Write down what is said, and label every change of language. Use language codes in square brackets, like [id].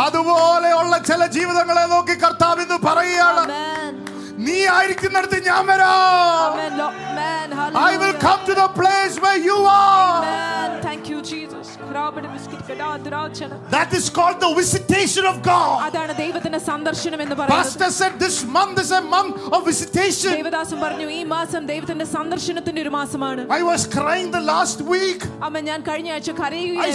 [ml] അതുപോലെയുള്ള ചില ജീവിതങ്ങളെ നോക്കി കർത്താവ് ഇന്ന് പറയുകയാണ്, നീ ആയിരിക്കുന്നിടത്ത് ഞാൻ വരാം. [en] I will come to the place where you are. Thank you, Jesus. That is called the visitation of God. [ml] അതാണ് ദൈവത്തിന്റെ സന്ദർശനം എന്ന് പറയുന്നത്. [en] Pastor said this month is a month of visitation. [ml] ദൈവദാസം പറഞ്ഞു ഈ മാസം ദൈവത്തിന്റെ സന്ദർശനത്തിന്റെ ഒരു മാസമാണ്. [en] I was crying the last week. [ml] അമ്മേ ഞാൻ കഴിഞ്ഞ ആഴ്ച കരയുകയായിരുന്നു.